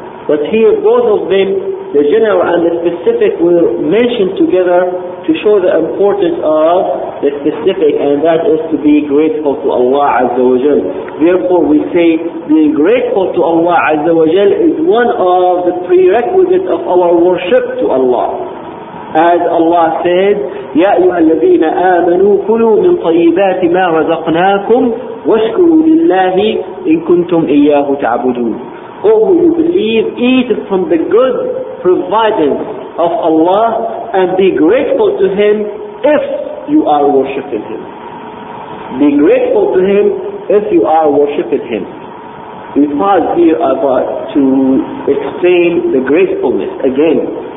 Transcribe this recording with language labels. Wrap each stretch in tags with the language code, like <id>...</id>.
<en>But here both of them, the general and the specific, were mentioned together to show the importance of the specific, and that is to be grateful to Allah Azza wa Jal. Therefore we say, being grateful to Allah Azza wa Jal is one of the prerequisites of our worship to Allah. As Allah said,</en> <ar>يَا أَيُّهَا الَّذِينَ آمَنُوا كُلُوا مِنْ طَيِّبَاتِ مَا رَزَقْنَاكُمْ وَاشْكُرُوا لِلَّهِ إِن كُنْتُمْ إِيَّاهُ تَعْبُدُونَ.</ar> <en>Oh, you believe, eat from the good providence of Allah and be grateful to Him if you are worshipping Him. Be grateful to Him if you are worshipping Him. We pause here about to explain the gratefulness again.</en>